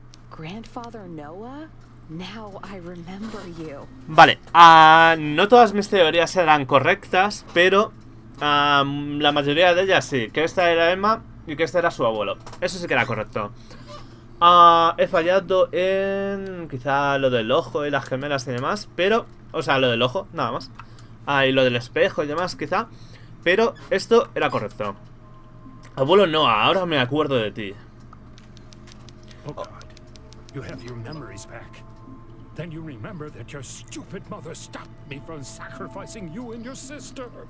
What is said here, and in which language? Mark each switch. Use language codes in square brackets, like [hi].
[en] Grandfather Noah, now I remember you. [es] Vale, no todas mis teorías eran correctas, pero la mayoría de ellas sí. Que esta era Emma y que esta era su abuelo. Eso sí que era correcto. He fallado en quizá lo del ojo y las gemelas y demás, pero, o sea, lo del ojo, nada más. Y lo del espejo y demás, quizá. Pero esto era correcto. Abuelo Noah, ahora me acuerdo de ti. [en] You have your memories back. Then you remember that your stupid mother stopped me from sacrificing you and your sister.